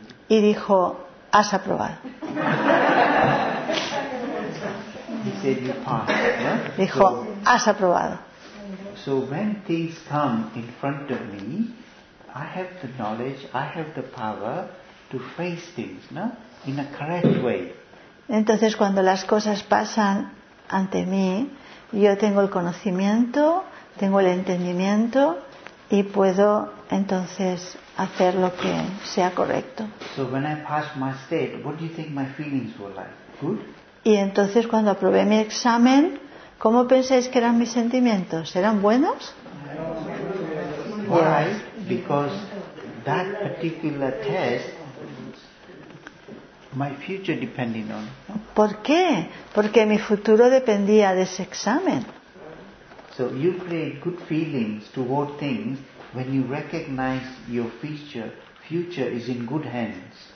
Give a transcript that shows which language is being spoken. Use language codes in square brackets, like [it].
[es] Y dijo, has aprobado. [en] He said you passed, yeah? [es] Dijo, has aprobado. [en] So when things come in front of me, I have the knowledge, I have the power to face things, no? In a correct way. [es] Entonces cuando las cosas pasan ante mí, yo tengo el conocimiento, tengo el entendimiento y puedo entonces hacer lo que sea correcto. [en] So when I passed my state, what do you think my feelings were like? Good? [es] Y entonces cuando aprobé mi examen, ¿cómo pensáis que eran mis sentimientos? ¿Eran buenos? [en] Why? Because that particular test my future depending on. [es] ¿Por qué? Porque mi futuro dependía de ese examen. [en] So you create good feelings toward things when you recognize your future is in good hands.